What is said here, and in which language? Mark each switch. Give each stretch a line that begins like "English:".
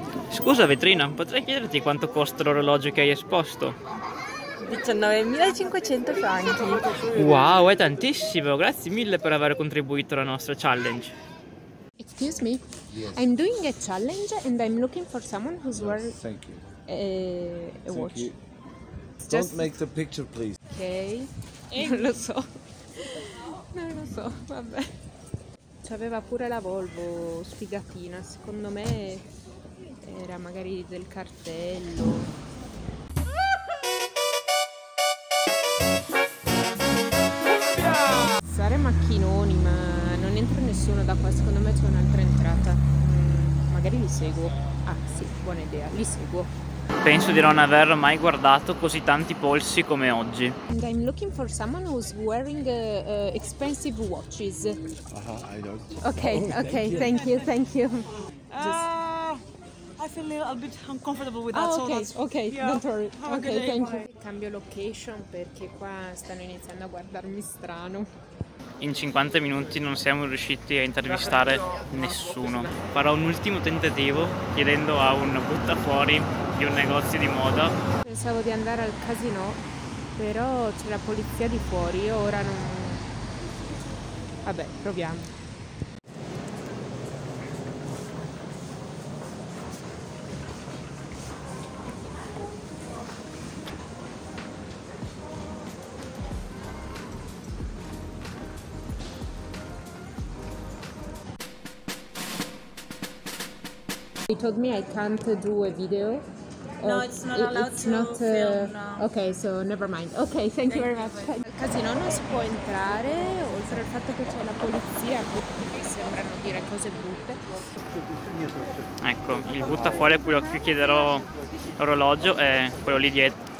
Italian: Scusa vetrina, potrei chiederti quanto costa l'orologio che hai esposto? 19.500 franchi. Wow, è tantissimo! Grazie mille per aver contribuito alla nostra challenge.
English: Excuse me, yes. I'm doing a challenge and I'm looking for someone who's wearing a watch. Don't make the picture, please.
Italian: Okay. Non lo so, vabbè. C'aveva pure la Volvo sfigatina, secondo me era magari del cartello. Sare macchinoni, ma non entra nessuno da qua, secondo me c'è un'altra entrata. Magari li seguo. Ah sì, buona idea, li seguo. Penso di non aver mai guardato così tanti polsi come oggi.
English: And I'm looking for someone who's wearing expensive watches. I don't. Okay, oh, okay, thank you. I feel a little bit uncomfortable with that. Okay, yeah. Don't worry. Okay, thank you.
Italian: Cambio location perché qua stanno iniziando a guardarmi strano. In 50 minuti non siamo riusciti a intervistare nessuno. Farò un ultimo tentativo chiedendo a un buttafuori di un negozio di moda. Pensavo di andare al casinò, però c'è la polizia di fuori, ora non... Vabbè, proviamo.
English: They told me I can't do a video. No, it's not allowed to film. Okay, so never mind. Okay, thank you very much.
Italian: Il casino non si può entrare, oltre al fatto che c'è la polizia, che sembrano dire cose brutte. Ecco, il buttafuori a cui chiederò l'orologio è quello lì dietro.